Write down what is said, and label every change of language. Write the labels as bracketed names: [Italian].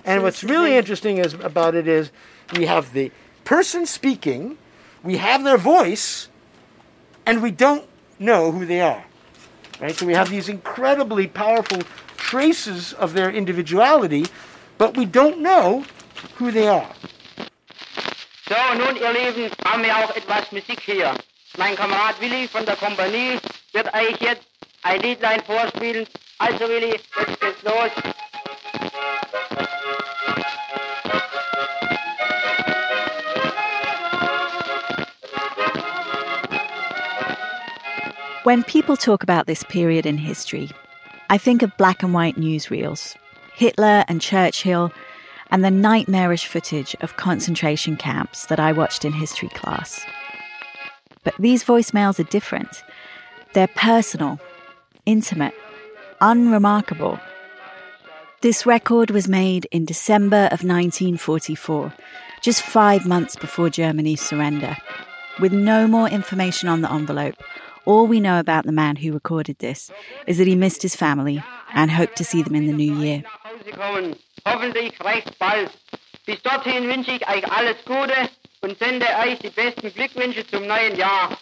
[English] And what's really interesting is about it is we have the person speaking, we have their voice, and we don't know who they are. Right? So we have these incredibly powerful traces of their individuality, but we don't know who they are. [German] So, nun ihr Lieben, haben wir auch etwas Musik hier. Mein Kamerad Willi von der Kompanie wird euch jetzt ein Liedlein vorspielen. Also Willi, jetzt geht's los. [English] When people talk about this period in history, I think of black and white newsreels, Hitler and Churchill, and the nightmarish footage of concentration camps that I watched in history class. But these voicemails are different. They're personal, intimate, unremarkable. This record was made in December of 1944, just 5 months before Germany's surrender. With no more information on the envelope, all we know about the man who recorded this is that he missed his family and hoped to see them in the new year. [German] Hoffentlich recht bald. Bis dorthin wünsche ich euch alles Gute und sende euch die besten Glückwünsche zum neuen Jahr.